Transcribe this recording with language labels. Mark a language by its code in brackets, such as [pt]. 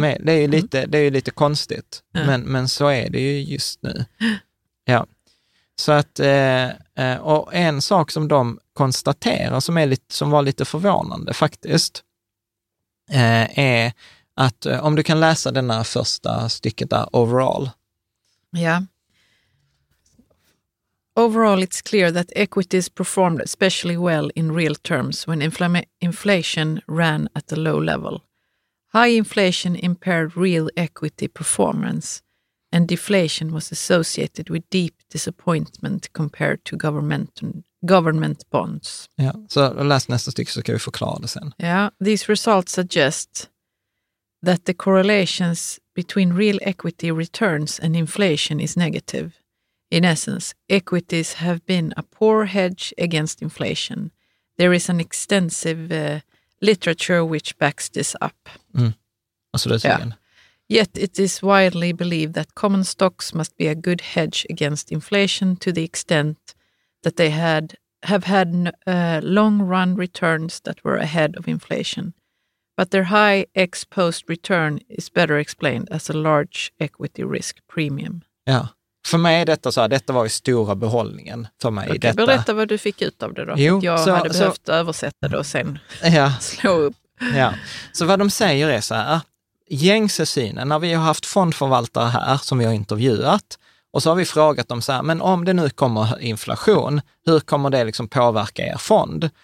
[sv] Det är ju lite konstigt, ja. men så är det ju just nu. Ja. Så att, och en sak som de konstaterar som var lite förvånande faktiskt är att om du kan läsa den här första stycket där, overall. Ja. [en] Overall, it's clear that equities performed especially well in real terms when inflation ran at a low level. High inflation impaired real equity performance, and deflation was associated with deep disappointment compared to government bonds. Yeah. So the last [sv] nästa stycke så kan vi förklara det sen. [en] Yeah. These results suggest that the correlations between real equity returns and inflation is negative. In essence, equities have been a poor hedge against inflation. There is an extensive literature which backs this up. [sv] Mm. Och så det igen. [en] Yet it is widely believed that common stocks must be a good hedge against inflation to the extent that they have had long-run returns that were ahead of inflation. But their high ex-post return is better explained as a large equity risk premium. [sv] Ja. För mig är detta så här, detta var ju stora behållningen för mig. Okay, detta. Berätta vad du fick ut av det då. Jo, jag hade behövt översätta det och sen slå upp. Ja. Så vad de säger är så här, gängse synen, när vi har haft fondförvaltare här som vi har intervjuat och så har vi frågat dem så här, men om det nu kommer inflation, hur kommer det liksom påverka er fond?